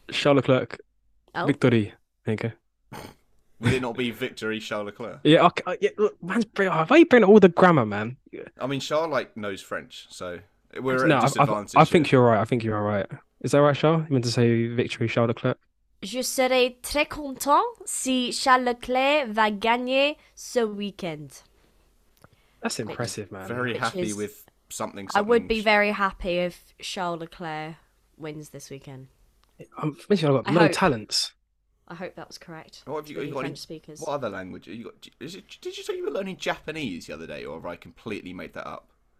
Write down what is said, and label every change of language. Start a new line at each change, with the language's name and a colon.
English: Charles Leclerc. Oh. Victory. Thank you. Would it not be victory, Charles Leclerc? Yeah, look, man's why are you bringing all the grammar, man? I mean, Charles, like, knows French, so... We're at a disadvantage. I think you're right. Is that right, Charles? You meant to say victory, Charles Leclerc?
French: Je serai très content si Charles Leclerc va gagner ce weekend.
English: That's impressive, man. Very happy with something. I would be very happy if Charles Leclerc wins this weekend. I've got no talents. I hope that was correct. What have you got? You got French any, speakers. What other language? Have you got? Did you say you were learning Japanese the other day, or have I completely made that up?